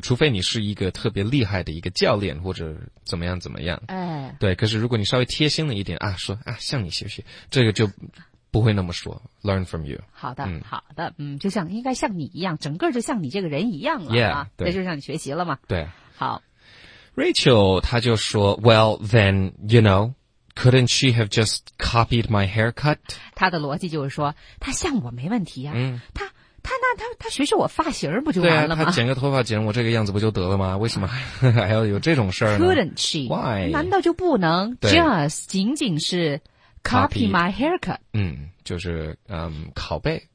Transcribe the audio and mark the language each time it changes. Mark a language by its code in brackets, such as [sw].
[zh] 除非你是一个特别厉害的一个教练或者怎么样怎么样。哎。对，可是如果你稍微贴心了一点啊说啊向你学习，这个就不会那么说 [en] learn from you. [zh] 好的、嗯、好的，嗯，就像应该像你一样，整个就像你这个人一样了 [en] yeah, [zh] 啊，那就向你学习了嘛。对。好。 [en] Rachel, [zh] 她就说 [en] well, then, you know, couldn't she have just copied my haircut? [zh] 她的逻辑就是说她像我没问题啊、嗯、他学学我发型不就完了吗？对啊，他剪个头发剪我这个样子不就得了吗？为什么还要有这种事儿呢？ [en] Couldn't she? Why? [zh] 难道就不能 just 仅仅是 [en] copy my haircut? [zh] 嗯，就是拷贝。